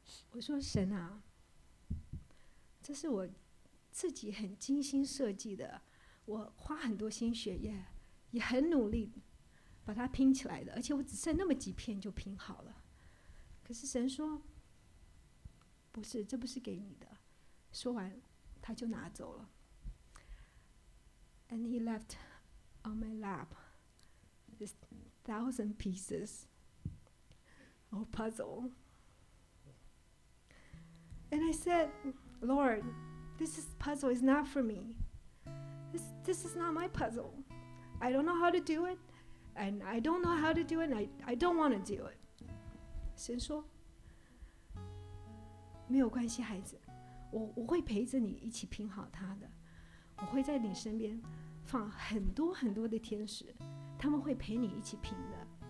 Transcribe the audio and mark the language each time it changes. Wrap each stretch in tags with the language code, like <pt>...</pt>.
<zh>我说，神啊，这是我自己很精心设计的，我花很多心血也很努力把它拼起来的，而且我只剩那么几片就拼好了。可是神说，不是，这不是给你的。说完他就拿走了。</zh> <en>And he left on my lap this 1,000 pieces of puzzle. And I said, Lord, this puzzle is not for me. This is not my puzzle. I don't know how to do it. And I don't know how to do it. And I don't want to do it.</en> <zh>神说，没有关系，孩子，我会陪着你一起拼好它的。我会在你身边放很多很多的天使，他们会陪你一起拼的。</zh>